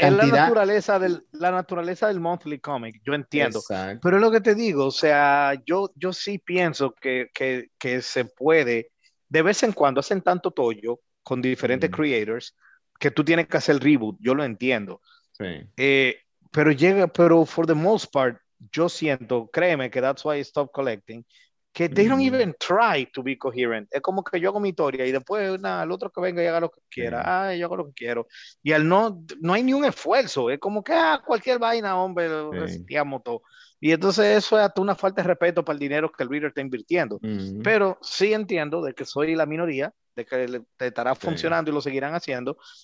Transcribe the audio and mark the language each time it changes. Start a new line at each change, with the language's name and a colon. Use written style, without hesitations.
Spanish: cantidad. la naturaleza del monthly comic, yo entiendo. Exacto. Pero es lo que te digo, o sea, yo sí pienso que se puede, de vez en cuando hacen tanto tollo con diferentes creators que tú tienes que hacer reboot, yo lo entiendo.
English: Pero for the most part,
Spanish: yo siento, créeme que
English: that's why I stopped collecting, que they don't even try to be coherent.
Spanish: Es como que yo hago mi historia y después nada, el otro que venga y haga lo que quiera. Ah, yo hago lo que quiero. Y al no hay ni un esfuerzo. Es como que cualquier vaina, hombre, lo reseteamos todo. Y entonces eso es hasta una falta de respeto para el dinero que el reader está invirtiendo. Pero sí entiendo de que soy la minoría, de que te estará funcionando y lo seguirán haciendo.